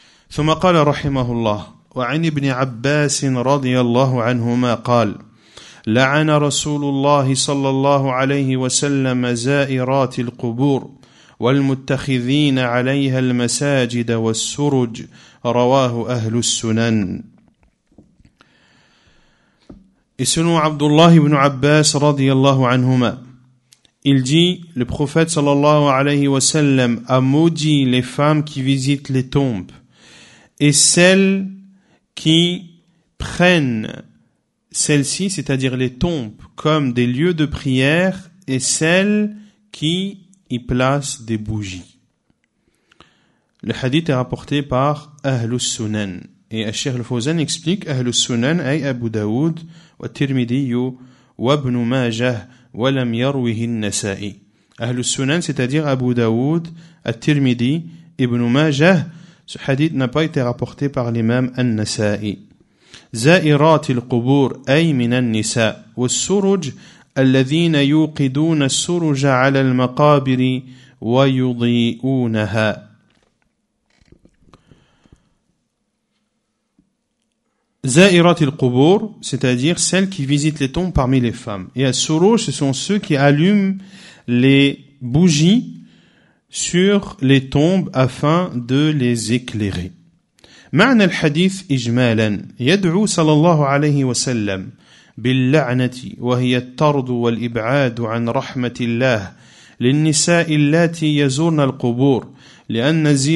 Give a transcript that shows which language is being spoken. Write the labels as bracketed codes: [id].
[ar] ثم قال رحمه الله وعن ابن عباس رضي الله عنهما قال لعن رسول الله صلى الله عليه وسلم زائرات القبور والمتخذين عليها المساجد والسرج رواه أهل السنن. [fr] Et selon Abdullah ibn Abbas [ar] رضي الله عنهما, [fr] il dit, le prophète [ar] صلى الله عليه وسلم [fr] a maudit les femmes qui visitent les tombes et celles qui prennent celles-ci, c'est-à-dire les tombes, comme des lieux de prière, et celles qui y placent des bougies. Le hadith est rapporté par Ahlus Sunan. Et Cheikh Al-Fawzan explique Ahlus Sunan, [ar] ay Abu Daoud, wa Tirmidhi, wa Ibn Majah, wa lam yarwihi an-Nasa'i. [fr] Ahlus Sunan, c'est-à-dire Abu Daoud, At-Tirmidhi, Ibn Majah, ce hadith n'a pas été rapporté par l'imam An-Nasa'i. [ar] زائرات القبور أي من النساء والسرج الذين يوقدون السرج على المقابر ويضيئونها. زائرات القبور, [fr] c'est-à-dire celles qui visitent les tombes parmi les femmes. Et السرج, ce sont ceux qui allument les bougies sur les tombes afin de les éclairer. [ar] معنى الحديث إجمالا يدعو صلى الله عليه وسلم باللعنة وهي الطرد والإبعاد عن رحمة الله للنساء اللاتي يزورن القبور لأن